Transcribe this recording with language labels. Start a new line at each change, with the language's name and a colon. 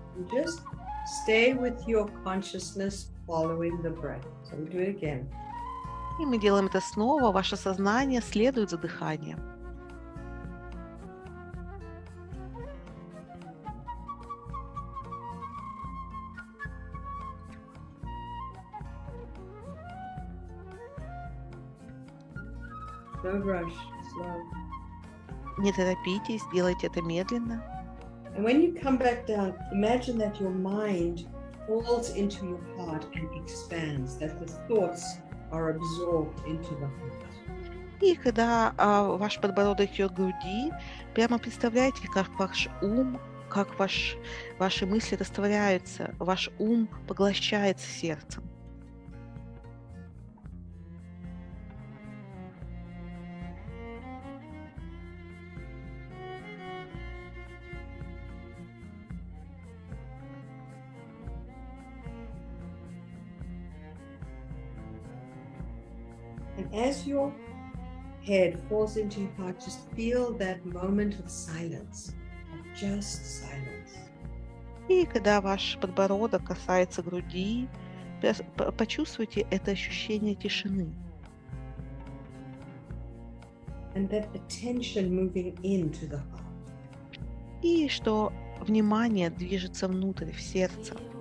English: Just stay with your consciousness following the breath. So we'll do it again.
Russian: И мы делаем это снова. Ваше сознание следует за дыханием.
English: Don't rush. Slow.
Russian: Не торопитесь, делайте это медленно.
English: And when you come back down, imagine that your mind falls into your heart and expands, that the thoughts are absorbed into the heart.
Russian: И когда ваш подбородок идет к груди, прямо представляете, как ваш ум, как ваши мысли растворяются, ваш ум поглощается сердцем.
English: As your head falls into your heart, just feel that moment of silence, of just silence.
Russian: И когда ваш подбородок касается груди, почувствуйте это ощущение тишины.
English: And that attention moving into the heart.
Russian: И что внимание движется внутрь, в сердце.